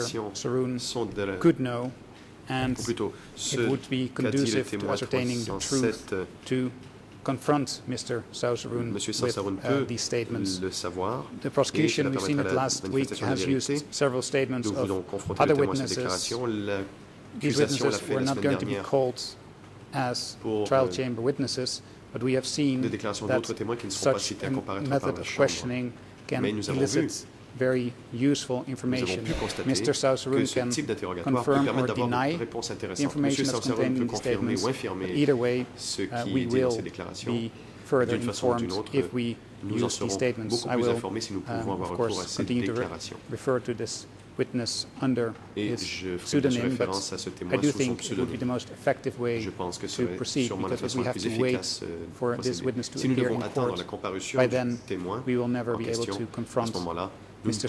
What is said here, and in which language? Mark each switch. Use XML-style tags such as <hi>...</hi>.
<en>Sausrun could know, and it would be conducive to ascertaining the truth to confront Mr. Sausrun with these statements.</en> <fr>Le savoir,</fr> <en>the prosecution, we've seen it last week, has used several statements of other witnesses. These witnesses were not going to be called as trial chamber witnesses. But we have seen</en> <fr>des déclarations d'autres témoins qui ne seront pas cités à comparaître par la chambre. Mais nous avons vu</fr> <en>very useful information. Mr. Sausserum can confirm or deny the information that's contained in the statements. But either way, we will be further informed if we use these statements. I will, of course, continue to refer to this witness under his pseudonym, but I do think it would be the most effective way to proceed, because if we have to wait for this witness to appear in court, by then we will never be able to confront Mr.</en>